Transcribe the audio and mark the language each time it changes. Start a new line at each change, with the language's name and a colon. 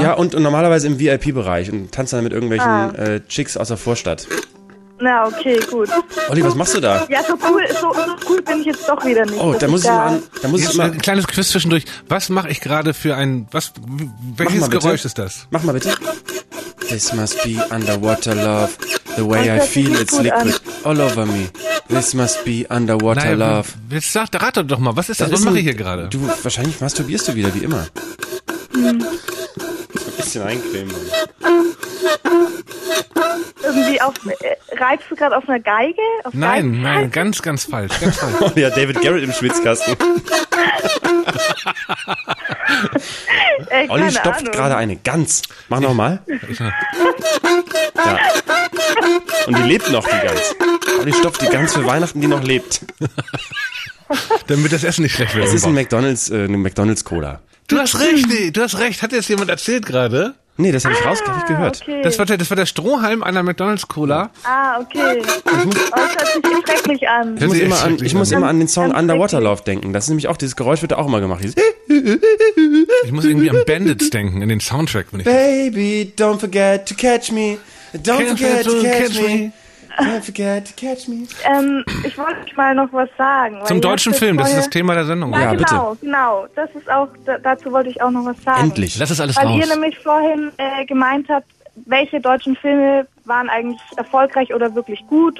German: Ja, und normalerweise im VIP-Bereich und tanze dann mit irgendwelchen Chicks aus der Vorstadt. Na, okay, gut. Olli, was machst du da? Ja, so cool bin ich jetzt doch wieder nicht. Oh, da muss ich mal an. Da muss ich mal. Ein kleines Quiz zwischendurch. Was mache ich gerade für ein. Welches Geräusch ist das? Mach mal bitte.
English: This must be underwater love. The way I feel, it's liquid all over me. This must be underwater love.
German: Sag, rat doch mal, was ist das? Was mache ich hier gerade? Du, wahrscheinlich masturbierst du wieder, wie immer. Ein bisschen eincremen. Irgendwie reibst du gerade auf einer Geige? Auf nein, Geige? Nein, ganz, ganz falsch. Ganz falsch. Oh ja, David Garrett im Schwitzkasten. Olli stopft gerade eine Gans. Mach nochmal. Ja. Und die lebt noch, die Gans. Olli stopft die Gans für Weihnachten, die noch lebt. Damit das Essen nicht schlecht wird. Das ist ein McDonald's-Cola. Du hast recht, hat jetzt jemand erzählt gerade? Nee, das habe ich rausgehört. Okay. Das war der Strohhalm einer McDonald's-Cola. Ah, okay. Das hört sich schrecklich an. Ich muss immer an den Song Underwater Love denken. Das ist nämlich auch, dieses Geräusch wird da auch immer gemacht. Ich muss irgendwie an Bandits denken, in den Soundtrack. Wenn ich
English: Baby, don't forget to catch me. Don't forget to catch me. Don't forget to catch me.
German: Ich wollte mal noch was sagen. Zum deutschen Film, das ist das Thema der Sendung. Ja, genau, bitte. Genau. Das ist auch, dazu wollte ich auch noch was sagen. Endlich, lass es alles weil raus. Weil ihr nämlich vorhin gemeint habt, welche deutschen Filme waren eigentlich erfolgreich oder wirklich gut.